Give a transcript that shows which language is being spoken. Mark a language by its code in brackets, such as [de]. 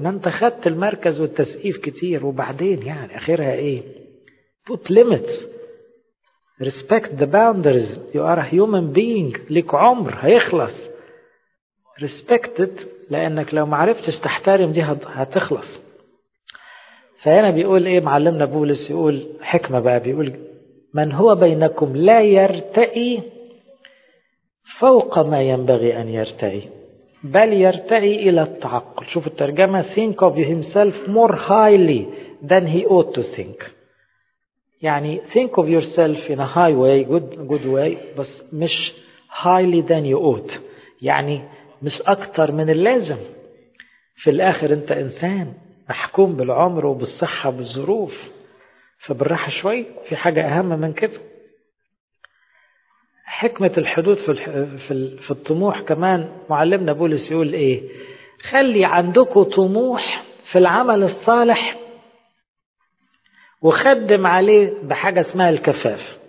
[ar] ما انت خدت المركز والتسقيف كتير، وبعدين يعني اخرها ايه؟ [en] put limits، respect the boundaries، you are a human being، [ar] لك عمر هيخلص، [en] respect it، [ar] لانك لو ما عرفتش تحترم دي هتخلص. فهنا بيقول ايه معلمنا بولس؟ يقول حكمة بقى، بيقول من هو بينكم لا يرتقي فوق ما ينبغي أن يرتقي، بل يرتقي إلى التعقل. شوف الترجمة، [en] think of himself more highly than he ought to think. يعني think of yourself in a high way, good way، [ar] بس مش [en] highly than you ought، [ar] يعني مش أكتر من اللازم. في الآخر أنت إنسان محكوم بالعمر وبالصحة بالظروف، فبالراحة شوي، في حاجة أهم من كده. حكمة الحدود في الطموح كمان، معلمنا بولس يقول إيه؟ خلي عندكم طموح في العمل الصالح وخدم عليه بحاجة اسمها الكفاف.